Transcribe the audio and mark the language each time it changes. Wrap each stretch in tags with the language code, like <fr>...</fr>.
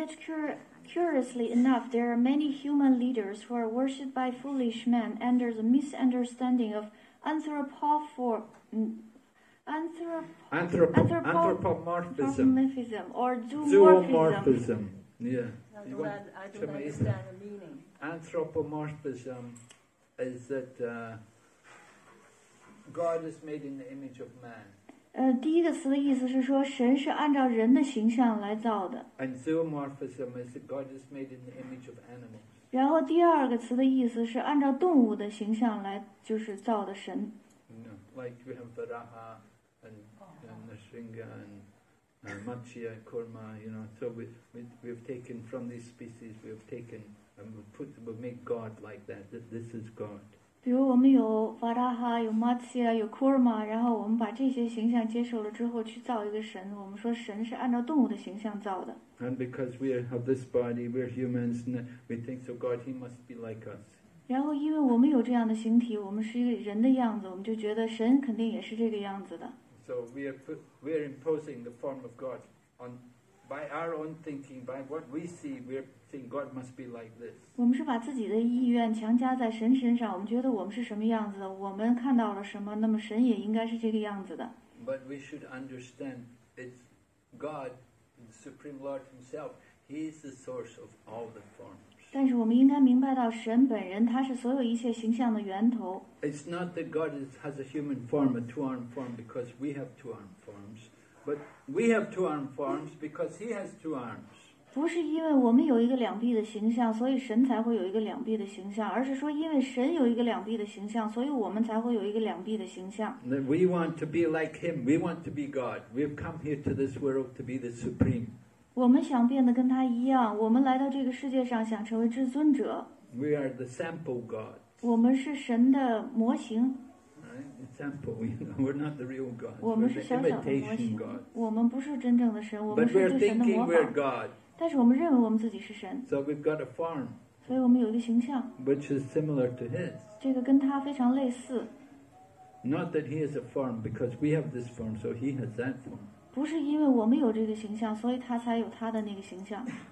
<en>yet curiously enough, there are many human leaders who are worshipped by foolish men under the misunderstanding of anthropomorphism or zoomorphism. Yeah. No, I don't understand the meaning. Anthropomorphism is that God is made in the image of man.</en> <zh>第一个词的意思是说神是按照人的形象来造的。</zh> <en>And zoomorphism is that God is made in the image of animals.</en> <zh>然后第二个词的意思是按照动物的形象来就是造的神。</zh> <en>Like we have Varaha and Narsinga and Matsya, Kurma, you know, so we've taken from these species, we've taken and we make God like that, that this is God.</en> <zh>比如我们有 Varaha, 有 Matsya, 有 Kurma, 然后我们把这些形象接受了之后去造一个神，我们说神是按照动物的形象造的。</zh> <en>And because we have this body, we're humans, and we think so God, he must be like us.</en> <zh>然后因为我们有这样的形体，我们是一个人的样子，我们就觉得神肯定也是这个样子的。</zh> <en>So we are imposing the form of God on, by our own thinking, by what we see, we're... God must be like this.</en> <zh>我们是把自己的意愿强加在神身上，我们觉得我们是什么样子的，我们看到了什么，那么神也应该是这个样子的。</zh> <en>But we should understand it's God, the Supreme Lord Himself. He is the source of all the forms.</en> <zh>但是我们应该明白到神本人，他是所有一切形象的源头。</zh> <en>It's not that God has a human form, a two-armed form, because we have two-armed forms, but we have two-armed forms because He has two arms.</en> <zh>不是因为我们有一个两臂的形象，所以神才会有一个两臂的形象，而是说因为神有一个两臂的形象，所以我们才会有一个两臂的形象。</zh> <en>We want to be like Him. We want to be God. We've come here to this world to be the supreme.</en> <zh>我们想变得跟他一样，我们来到这个世界上想成为至尊者。</zh> <en>We are the sample God.</en> <zh>我们是神的模型。</zh> <en>Example, you know, we're not the real God.</en> <zh>我们是小小的模型。</zh> <en>We're the imitation God.</en> <zh>我们不是真正的神，我们是神的模仿。</zh> <en>But we're thinking we're God.</en> <zh>但是我们认为我们自己是神</zh> <en>so we've got a form,</en> <zh>所以我们有一个形象</zh> <en>which is similar to his.</en> <zh>这个跟他非常类似</zh> <en>not that he is a form because we have this form so he has that form</en> <zh>不是因为我们有这个形象所以他才有他的那个形象</zh>